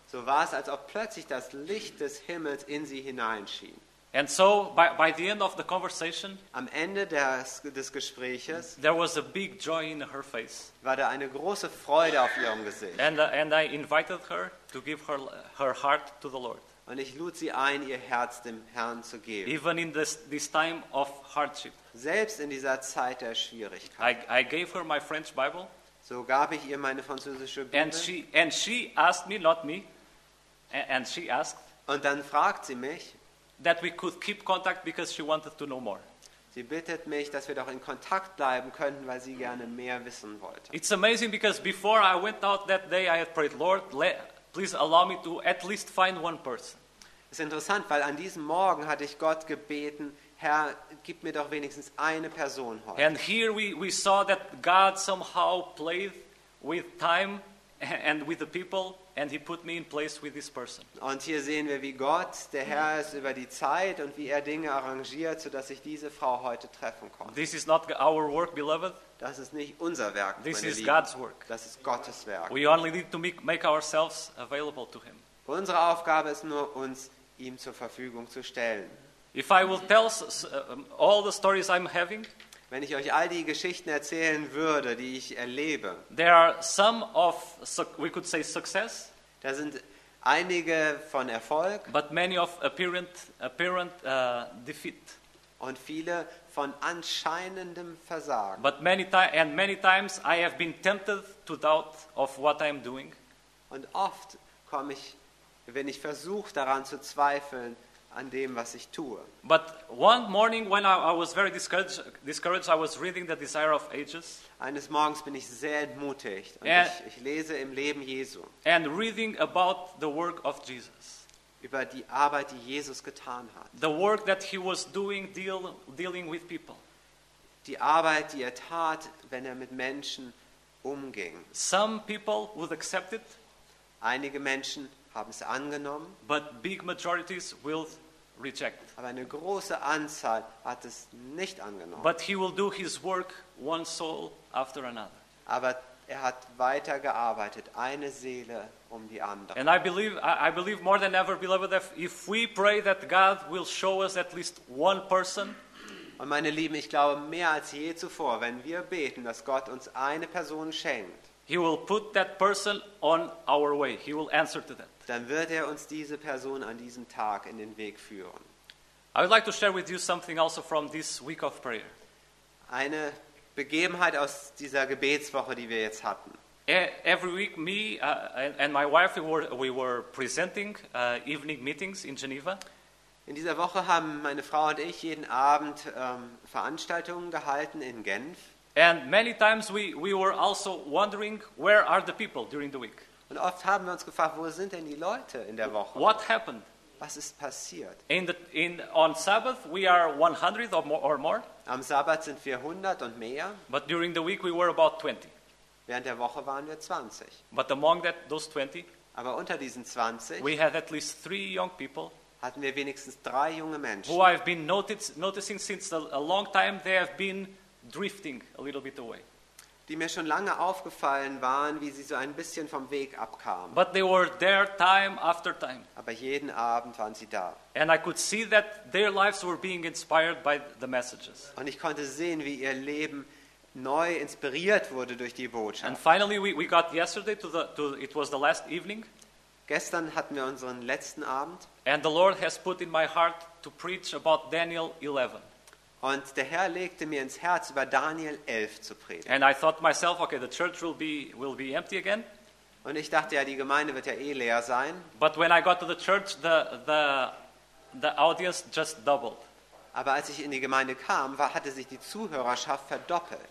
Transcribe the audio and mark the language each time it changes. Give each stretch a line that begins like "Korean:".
German: So war es, als ob plötzlich das Licht des Himmels in sie hineinschien.
English: And so by the end of the conversation,
German: am Ende des Gespräches,
English: there was a big joy in her face.
German: War da eine große Freude auf ihrem Gesicht.
English: And I invited her to give her heart to the Lord.
German: Und ich lud sie ein, ihr Herz dem Herrn zu geben.
English: Even in this time of hardship.
German: Selbst in dieser Zeit der Schwierigkeit.
English: I gave her my French Bible.
German: So gab ich ihr meine französische Bibel.
English: And she asked me, not me. And she asked,
German: und dann fragt sie mich,
English: that we could keep contact because she wanted to know more.
German: Sie bittet mich, dass wir doch in Kontakt bleiben könnten, weil sie gerne mehr wissen wollte.
English: It's amazing because before I went out that day, I had prayed, Lord, please allow me to at least find one person.
German: Es ist interessant, weil an diesem Morgen hatte ich Gott gebeten, Herr, gib mir doch wenigstens eine Person heute.
English: And here we saw that God somehow played with time and with the people, and he put me in place with this person.
German: Und hier sehen wir, wie Gott, der Herr, ist über die Zeit und wie er Dinge arrangiert, so dass ich diese Frau heute treffen konnte.
English: This is not our work, beloved.
German: Das ist nicht unser Werk,
English: this
German: meine
English: is
German: Lieben.
English: God's work.
German: Das ist Gottes Werk.
English: We only need to make ourselves available to him.
German: Unsere Aufgabe ist nur, uns ihm zur Verfügung zu stellen.
English: If I will tell all the stories I'm having,
German: wenn ich euch all die Geschichten erzählen würde, die ich erlebe,
English: there are some of, we could say, success,
German: da sind einige von Erfolg,
English: but many of apparent defeat,
German: und viele von anscheinendem Versagen.
English: But many times I have been tempted to doubt of what I'm doing.
German: Und oft komme ich, wenn ich versuche, daran zu zweifeln, an dem, was ich tue.
English: But one morning when I was very discouraged, I was reading The Desire of Ages.
German: Eines Morgens bin ich sehr entmutigt und ich lese im Leben Jesu.
English: And reading about the work of Jesus.
German: Über die Arbeit, die Jesus getan hat.
English: The work that he was doing dealing with people.
German: Die Arbeit, die er tat, wenn er mit Menschen umging.
English: Some people would accept it.
German: Einige Menschen haben es angenommen,
English: but big majorities will reject.
German: Aber eine große Anzahl hat es nicht angenommen.
English: But he will do his work one soul after another.
German: Aber er hat weiter gearbeitet, eine Seele um die andere.
English: And I believe more than ever, beloved, if we pray that God will show us at least one person.
German: Und meine Lieben, ich glaube mehr als je zuvor, wenn wir beten, dass Gott uns eine Person schenkt.
English: He will put that person on our way. He will answer to that.
German: Dann wird er uns diese Person an diesem Tag in den Weg führen.
English: I would like to share with you something also from this week of prayer.
German: Eine Begebenheit aus dieser Gebetswoche, die wir jetzt hatten.
English: Every week me and my wife we were presenting evening meetings in Geneva.
German: In dieser Woche haben meine Frau und ich jeden Abend Veranstaltungen gehalten in Genf.
English: And many times we were also wondering, where are the people during the week?
German: Und oft haben wir uns gefragt, wo sind denn die Leute in der Woche?
English: What happened?
German: Was ist passiert?
English: On Sabbath we are 100 or more.
German: Am Sabbat sind wir 100 und mehr.
English: But during the week we were about 20.
German: Während der Woche waren wir 20.
English: But among those 20,
German: aber unter diesen 20,
English: we had at least 3 young people.
German: Hatten wir wenigstens 3 junge Menschen.
English: Who I've been noticing since a long time, they have been drifting a little bit away.
German: Die mir schon lange aufgefallen waren, wie sie so ein bisschen vom Weg abkamen.
English: But they were there time after time.
German: Aber jeden Abend waren sie da.
English: And I could see that their lives were being inspired by the messages.
German: Und ich konnte sehen, wie ihr Leben neu inspiriert wurde durch die Botschaft.
English: And finally we got yesterday to it was the last evening.
German: Gestern hatten wir unseren letzten Abend.
English: And the Lord has put in my heart to preach about Daniel 11.
German: Und der Herr legte mir ins Herz, über Daniel 11 zu predigen.
English: And I thought myself, okay, the church will be empty again.
German: Und ich dachte ja, die Gemeinde wird ja eh leer sein.
English: But when I got to the church, the audience just doubled.
German: Aber als ich in die Gemeinde kam, hatte sich die Zuhörerschaft verdoppelt.